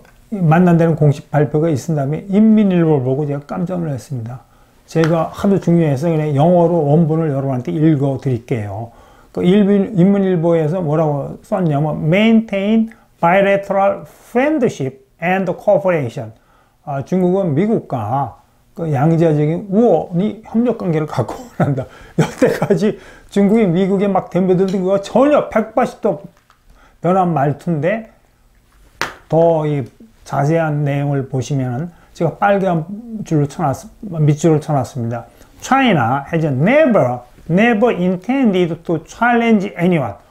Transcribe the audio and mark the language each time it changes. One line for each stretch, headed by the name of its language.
Korean: 만난다는 공식 발표가 있은 다음에 인민일보를 보고 제가 깜짝 놀랐습니다. 제가 하도 중요해서 그냥 영어로 원본을 여러분한테 읽어 드릴게요. 인민일보에서 뭐라고 썼냐면,
English: maintain bilateral friendship and cooperation.
Korean: 중국은 미국과 양자적인 우호니 협력 관계를 갖고 온다. 여태까지 중국이 미국에 막 덤벼들던 거 전혀 180도 변한 말투인데, 더 이 자세한 내용을 보시면은 제가 빨간 줄로 밑줄을 쳐놨습니다.
English: China has never intended to challenge anyone.